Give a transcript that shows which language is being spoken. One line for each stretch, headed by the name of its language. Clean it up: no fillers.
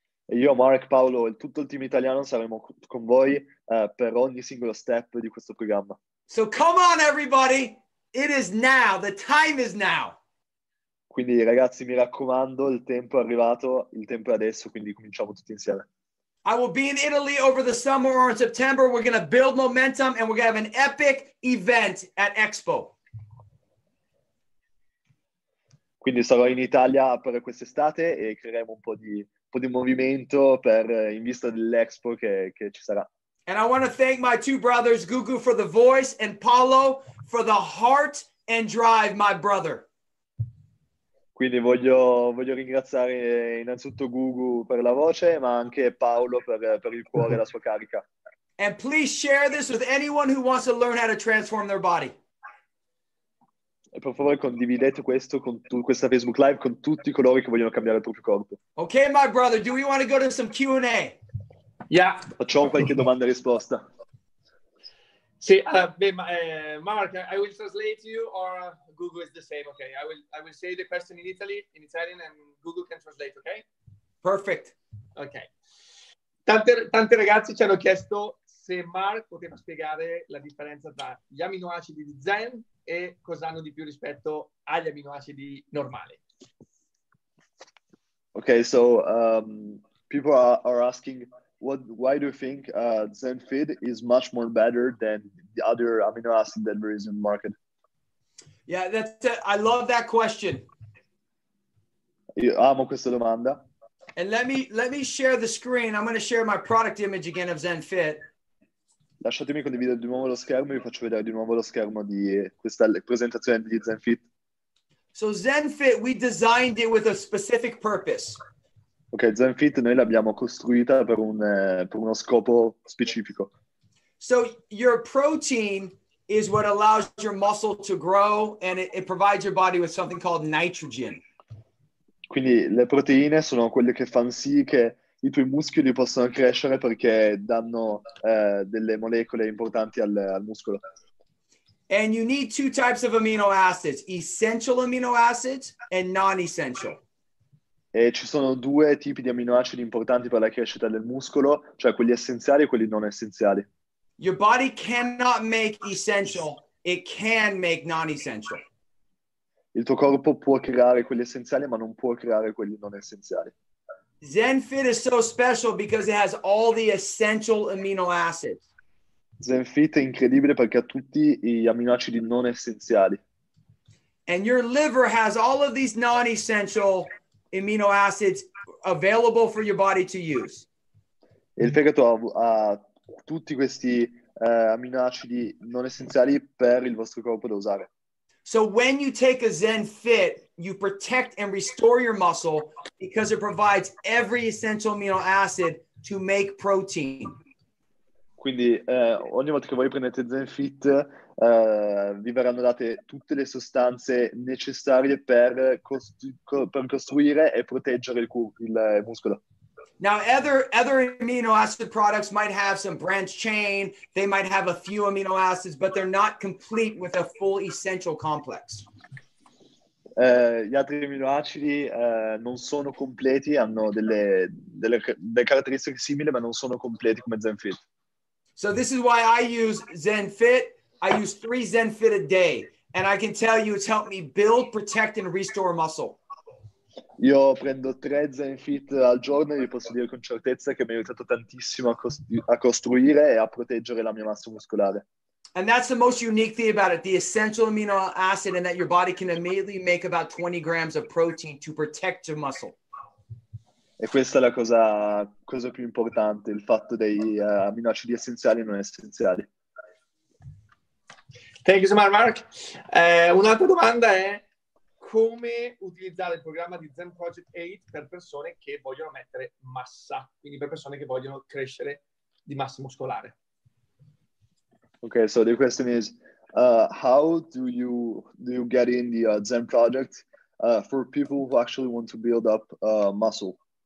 Italian: E io, Mark, Paolo e tutto il team italiano saremo con voi per ogni singolo step di questo programma.
English: So come on, everybody! It is now! The time is now!
Italian: Quindi, ragazzi, mi raccomando, il tempo è arrivato, il tempo è adesso, quindi cominciamo tutti insieme.
English: I will be in Italy over the summer or in September. We're going to build momentum and we're going to have an epic event at Expo.
Italian: Quindi sarò in Italia per quest'estate e creeremo un po' di movimento per in vista dell'Expo che ci sarà.
English: And I want to thank my two brothers, Gugu for the voice and Paolo for the heart and drive, my brother.
Italian: Quindi voglio ringraziare innanzitutto Gugu per la voce, ma anche Paolo per il cuore e la sua carica.
English: And please share this with anyone who wants to learn how to transform their body.
Italian: E per favore condividete questo con questa Facebook Live con tutti coloro che vogliono cambiare il proprio corpo.
English: Okay, my brother, do we want to go to some Q&A? Yeah.
Italian: Facciamo qualche domanda e risposta.
English: Sì, Mark, I will translate you or Google is the same, okay? I will say the question in Italy, in Italian, and Google can translate, okay? Perfect. Okay.
Italian: Tanti ragazzi ci hanno chiesto se Mark poteva spiegare la differenza tra gli aminoacidi di Zen e cosa hanno di più rispetto agli aminoacidi normali.
English: Okay, so people are asking, why do you think Zen Feed is much more better than the other amino acid that there is in the market? Yeah, I love that question.
Italian: Io amo questa domanda.
English: And let me share the screen. I'm going to share my product image again of Zen Feed.
Italian: Lasciatemi condividere di nuovo lo schermo, vi faccio vedere di nuovo lo schermo di questa presentazione di ZenFit.
English: So ZenFit, we designed it with a specific purpose.
Italian: Ok, ZenFit noi l'abbiamo costruita per uno scopo specifico.
English: So your protein is what allows your muscle to grow and it provides your body with something called nitrogen.
Italian: Quindi le proteine sono quelle che fanno sì che i tuoi muscoli possono crescere perché danno delle molecole importanti al, al muscolo.
English: And you need two types of amino acids, essential amino acids and non-essential.
Italian: E ci sono due tipi di aminoacidi importanti per la crescita del muscolo, cioè quelli essenziali e quelli non essenziali.
English: Your body cannot make essential, it can make non-essential.
Italian: Il tuo corpo può creare quelli essenziali, ma non può creare quelli non essenziali.
English: ZenFit is so special because it has all the essential amino acids.
Italian: ZenFit è incredibile perché ha tutti gli aminoacidi non essenziali.
English: And your liver has all of these non-essential amino acids available for your body to use.
Italian: Il fegato ha, ha tutti questi aminoacidi non essenziali per il vostro corpo da usare.
English: So when you take a ZenFit, you protect and restore your muscle because it provides every essential amino acid to make protein.
Italian: Quindi ogni volta che voi prendete ZenFit vi verranno date tutte le sostanze necessarie per, per costruire e proteggere il muscolo.
English: Now other amino acid products might have some branched chain, they might have a few amino acids, but they're not complete with a full essential complex.
Italian: Gli altri amino acidi non sono completi, hanno delle caratteristiche simili, ma non sono completi come ZenFit.
English: So this is why I use ZenFit. I use 3 ZenFit a day, and I can tell you it's helped me build, protect, and restore muscle.
Italian: Io prendo 3 ZenFit al giorno e vi posso dire con certezza che mi ha aiutato tantissimo a, a costruire e a proteggere la mia massa muscolare.
English: And that's the most unique thing about it, the essential amino acid, and that your body can immediately make about 20 grams of protein to protect your muscle.
Italian: E questa è la cosa più importante, il fatto dei aminoacidi essenziali e non essenziali.
English: Thank you so much, Mark.
Italian: Un'altra domanda è come utilizzare il programma di Zen Project 8 per persone che vogliono mettere massa, quindi per persone che vogliono crescere di massa muscolare.
English: Okay, so the question is, how do you get in the Zen Project for people who actually want to build up muscle?